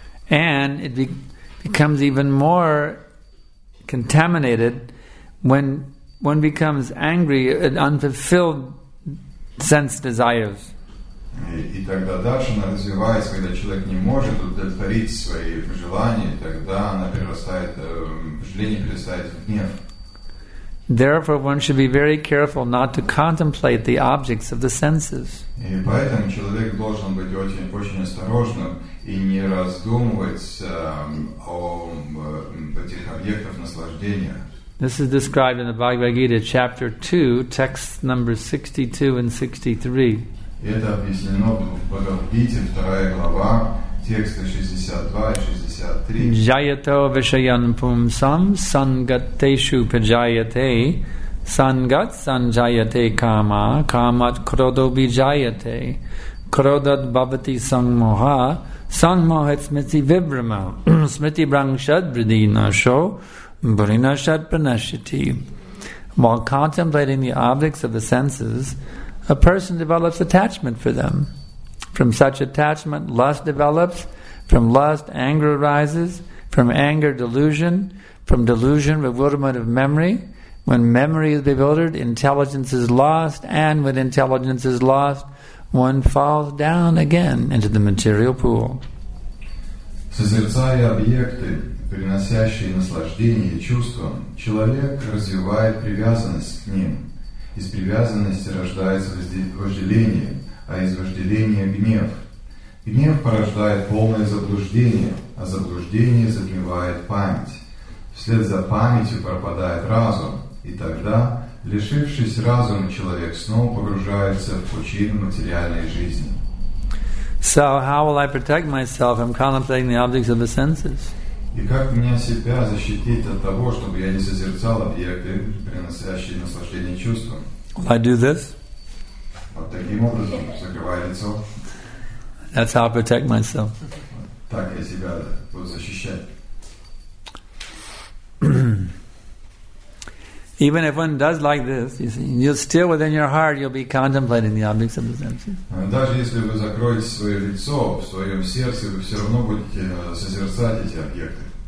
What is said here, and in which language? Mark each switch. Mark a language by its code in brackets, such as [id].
[en] And it becomes even more contaminated when one becomes angry at unfulfilled sense desires. [ru] И тогда дальше она развивается, когда человек не может удовлетворить свои желания, тогда она перерастает, желание перерастает в гнев. [en] Therefore, one should be very careful not to contemplate the objects of the senses. [ru] И поэтому человек должен быть очень осторожным и не раздумывать о этих объектах наслаждения. [en] This is described in the Bhagavad Gita, chapter 2, text number 62 and 63. [ru] Это объяснено в Бхагавад Гите, вторая глава, тексты 62 и 63. [sa] Jayato vishayan pumsam sangateshu pajayate sangat sanjayate kama kamat krodo vijayate krodat bhavati sangmoha sangmohat smriti vibhrama smriti brangshad vridina sho Brinashat Pranashiti. [en] While contemplating the objects of the senses, a person develops attachment for them. From such attachment, lust develops. From lust, anger arises. From anger, delusion. From delusion, bewilderment of memory. When memory is bewildered, intelligence is lost. And when intelligence is lost, one falls down again into the material pool. [ru] Созерцая объекты, приносящие наслаждение чувствам, человек развивает привязанность к ним. Из привязанности рождается вожделение, а из вожделения – гнев. Гнев порождает полное заблуждение, а заблуждение затмевает память. Вслед за памятью пропадает разум, и тогда, лишившись разума, человек снова погружается в пучину материальной жизни. [en] So how will I protect myself from contemplating the objects of the senses? [ru] И как мне себя защитить от того, чтобы я не созерцал объекты, приносящие наслаждение чувствам? [en] Will I do this? [ru] Вот таким образом, закрывая лицо. [en] That's how I protect myself. [ru] Так я себя буду защищать. [en] Even if one does like this, you see, you'll still within your heart you'll be contemplating the objects of the senses. [ru] Даже если вы закроете свое лицо, в своем сердце вы все равно будете созерцать эти объекты.